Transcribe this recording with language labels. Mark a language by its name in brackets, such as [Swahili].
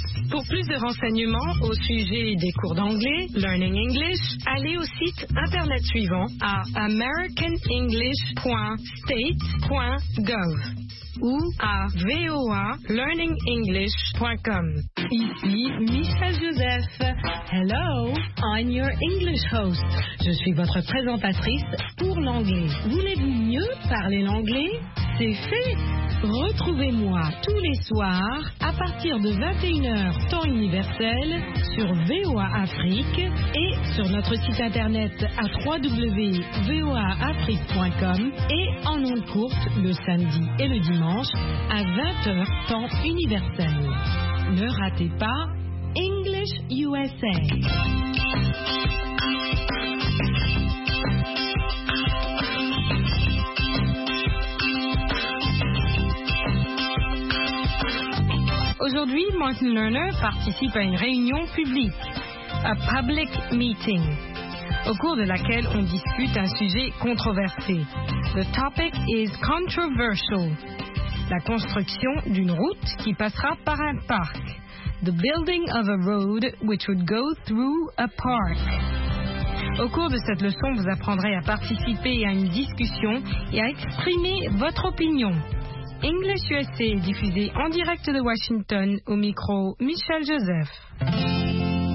[French] Pour plus de renseignements au sujet des cours d'anglais, Learning English, allez au site internet suivant à americanenglish.state.gov ou à voalearningenglish.com. Ici Michel Joseph. [English] Hello, I'm your English host. [French] Je suis votre présentatrice pour l'anglais. Voulez-vous mieux parler l'anglais? C'est fait! Retrouvez-moi tous les soirs à partir de 21h temps universel sur VOA Afrique et sur notre site internet à www.voaafrique.com et en ondes courtes le samedi et le dimanche à 20h temps universel. Ne ratez pas English USA. Aujourd'hui, Martin Lerner participe à une réunion publique, [English] a public meeting, [French] au cours de laquelle on discute un sujet controversé. [English] The topic is controversial. [French] La construction d'une route qui passera par un parc. [English] The building of a road which would go through a park. [French] Au cours de cette leçon, vous apprendrez à participer à une discussion et à exprimer votre opinion. English USA, diffusé en direct de Washington, au micro Michel Joseph.